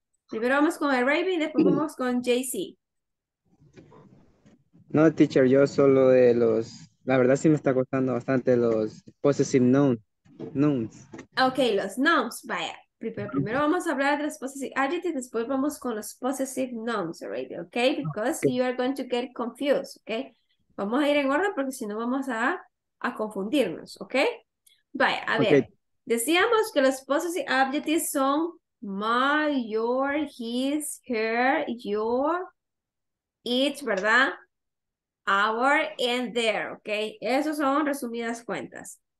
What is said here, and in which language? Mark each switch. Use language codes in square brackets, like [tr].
[es] Primero vamos con Raven y después vamos con JC. No, teacher, yo solo de los, la verdad sí me está costando bastante los possessive nouns. Ok, los nouns, vaya. Primero vamos a hablar de los possessive adjectives, después vamos con los possessive nouns, Raven, ok? [en] Because okay. You are going to get confused, ok? [es] Vamos a ir en orden porque si no vamos a confundirnos, ¿ok? Vaya, a ver, decíamos que los possessive adjectives son [en] my, your, his, her, your, it, [es] ¿verdad? [en] Our, and their, [es] ¿ok? Esos son resumidas cuentas.